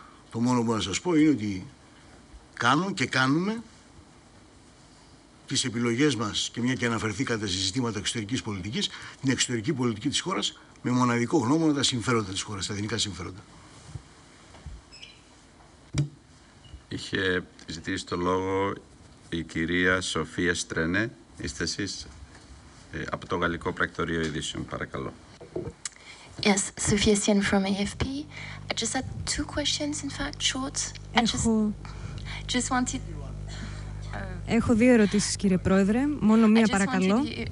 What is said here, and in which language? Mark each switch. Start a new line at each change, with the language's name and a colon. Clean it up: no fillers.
Greek: Το μόνο που να σας πω είναι ότι κάνω και κάνουμε τις επιλογές μας, και μια και αναφερθήκατε σε ζητήματα εξωτερικής πολιτικής, την εξωτερική πολιτική της χώρας με μοναδικό γνώμονα τα συμφέροντα της χώρας, τα εθνικά συμφέροντα. Είχε ζητήσει το λόγο η κυρία Σοφία Στρένε, είστε εσείς, από το Γαλλικό Πρακτορείο Ειδήσεων, παρακαλώ.
English: Yes, Sophia Sien from AFP. I just had two questions, in fact, short.
Greek: Έχω δύο ερωτήσεις, κύριε Πρόεδρε. Μόνο μία, παρακαλώ.